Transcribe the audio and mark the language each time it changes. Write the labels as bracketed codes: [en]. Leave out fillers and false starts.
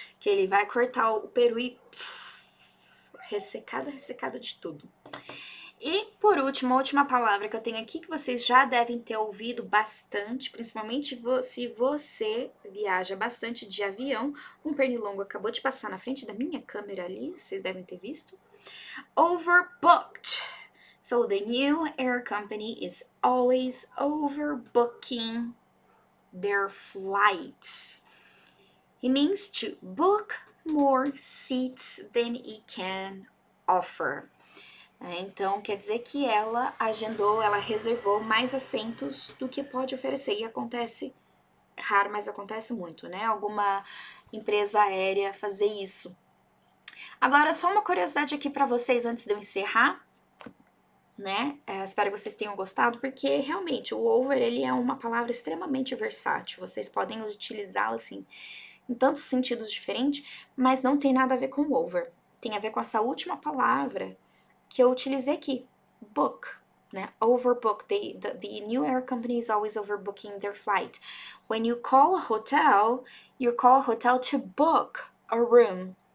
[pt] Que ele vai cortar o peru e. Pff, ressecado, ressecado de tudo. E por último, a última palavra que eu tenho aqui, que vocês já devem ter ouvido bastante, principalmente se você viaja bastante de avião. Um pernilongo acabou de passar na frente da minha câmera ali, vocês devem ter visto. [en] Overbooked. So the new air company is always overbooking their flights. It means to book more seats than it can offer. [pt] Então, quer dizer que ela agendou, ela reservou mais assentos do que pode oferecer. E acontece, é raro, mas acontece muito, né? Alguma empresa aérea fazer isso. Agora, só uma curiosidade aqui para vocês antes de eu encerrar, né? Espero que vocês tenham gostado, porque realmente o over ele é uma palavra extremamente versátil. Vocês podem utilizá-la assim em tantos sentidos diferentes, mas não tem nada a ver com over. Tem a ver com essa última palavra que eu utilizei aqui, book, né? [en] Overbook. The new air company is always overbooking their flight. When you call a hotel to book a room.